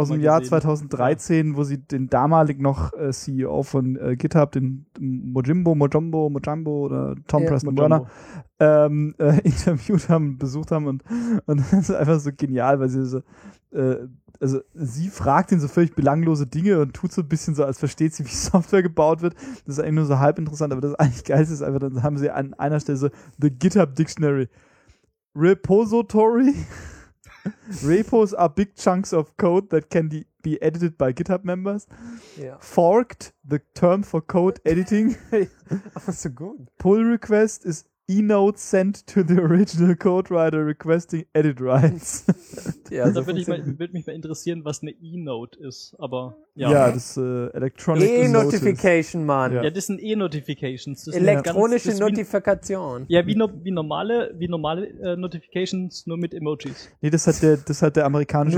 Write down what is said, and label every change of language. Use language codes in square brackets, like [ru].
[de] Aus dem Jahr 2013, wo sie den damalig noch CEO von GitHub, den Mojimbo oder Tom Preston Turner, interviewt haben, besucht haben und das ist einfach so genial, weil sie so also sie fragt ihn so völlig belanglose Dinge und tut so ein bisschen so, als versteht sie, wie Software gebaut wird. Das ist eigentlich nur so halb interessant, aber das eigentlich geilste ist einfach, dann haben sie an einer Stelle so The GitHub Dictionary. [en] Repository. Repos are big chunks of code that can be edited by GitHub members. Yeah. Forked, the term for code editing. [de] Aber so gut. [en] Pull request is E-Note sent to the original code writer requesting edit rights. [de] Ja, also da würde mich mal interessieren, was eine E-Note ist, aber ja. Ja, das ist Electronic E-Notification, Mann. Ja, das sind E-Notifications. Das elektronische ganz, das Notifikation. Wie, ja, wie normale Notifications, nur mit Emojis. Nee, das hat der amerikanische